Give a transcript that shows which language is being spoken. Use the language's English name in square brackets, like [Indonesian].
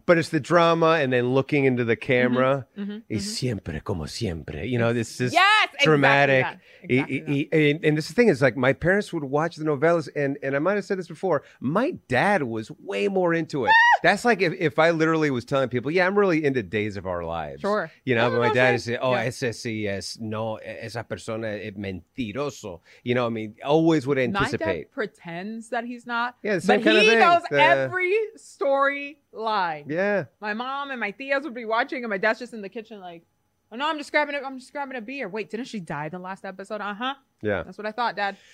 [English] But it's the drama and then looking into the camera. [Spanish] Siempre como siempre. [English] You know, this is dramatic. And this thing is like, my parents would watch the novellas. And I might have said this before. My dad was way more into it. That's like if I literally was telling people, yeah, I'm really into Days of Our Lives. Sure. You know, but my dad is saying, oh, yeah. [Spanish] Ese sí es, no, esa persona es mentiroso. [English] You know, I mean, always would anticipate. My dad pretends that he's not. Yeah, the same but kind of thing. But he knows every storyline. Yeah. My mom and my tias would be watching and my dad's just in the kitchen like, oh, no, I'm just grabbing a beer. Wait, didn't she die in the last episode? Uh-huh. Yeah. That's what I thought, Dad.